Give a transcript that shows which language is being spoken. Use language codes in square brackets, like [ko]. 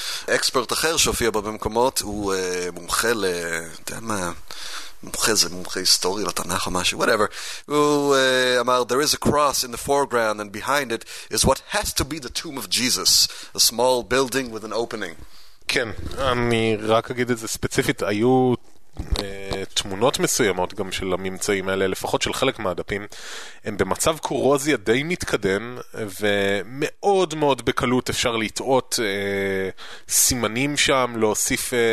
[he] אקספרט אחר שהופיע בה במקומות, הוא מומחה ל... אתה יודע מה... מומחה זה מומחה היסטורי לתנך או משהו, whatever. הוא אמר, [en] there is a cross in the foreground and behind it is what has to be the tomb of Jesus, a small building with an opening. [he] כן, אני רק אגיד את זה ספציפית, היו תמונות מסוימות גם של הממצאים האלה, לפחות של חלק מהדפים, הם במצב קורוזיה די מתקדם, ומאוד מאוד בקלות אפשר לטעות סימנים שם, להוסיף...